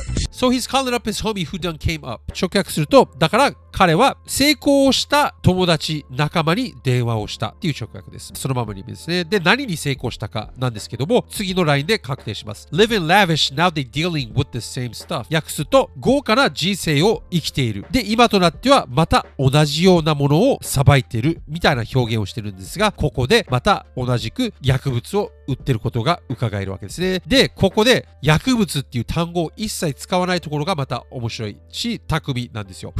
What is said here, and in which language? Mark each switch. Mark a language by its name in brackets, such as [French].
[English] So he's calling up his homie who done came up. [Japanese] 直訳すると、だから彼は成功した友達仲間に電話をしたっていう直訳です。そのままにですね。で、何に成功したかなんですけども、次のラインで確定します。 [English] Living lavish, now they dealing with the same stuff. [Japanese] 訳すと、豪華な人生を生きている。で、今となってはまた同じようなものをさばいてるみたいな表現をしてるんですが、ここでまた同じく薬物を売ってることが伺えるわけですね。で、ここで薬物っていう単語を一切使わないところがまた面白いし、巧みなんですよ。